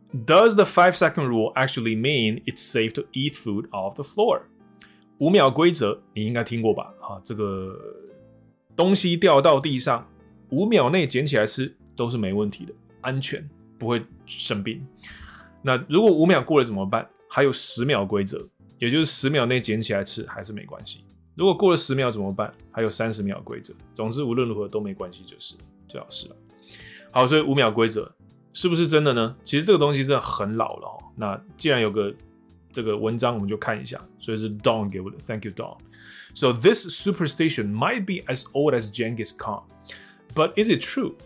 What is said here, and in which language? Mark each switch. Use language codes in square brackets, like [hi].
[en] Does the 5-second rule actually mean it's safe to eat food off the floor? [zh] 五秒规则你应该听过吧？啊，这个东西掉到地上，五秒内捡起来吃都是没问题的，安全，不会生病。那如果五秒过了怎么办？还有十秒规则，也就是十秒内捡起来吃还是没关系。如果过了十秒怎么办？还有三十秒规则。总之无论如何都没关系，就是最好是了。好，所以五秒规则是不是真的呢？其实这个东西真的很老了，那既然有个这个文章，我们就看一下。所以是 Don 给我的 ， [en] Thank you Don。 So this superstition might be as old as Genghis Khan, but is it true?